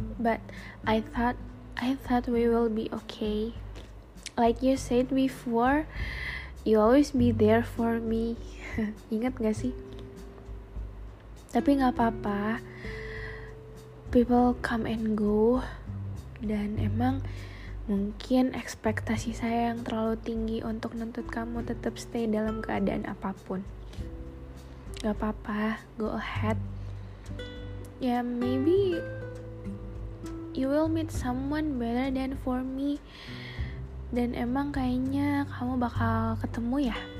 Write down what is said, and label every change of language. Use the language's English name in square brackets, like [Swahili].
[English] But I thought we will be okay. Like you said before, you always be there for me. [Indonesian] Ingat gak sih? Tapi gak apa-apa, [English] people come and go. [Indonesian] Dan emang mungkin ekspektasi saya yang terlalu tinggi untuk nuntut kamu tetap stay dalam keadaan apapun. Gak apa-apa, [English] go ahead. Ya, maybe you will meet someone better than for me. [Indonesian] Dan emang kayaknya kamu bakal ketemu ya.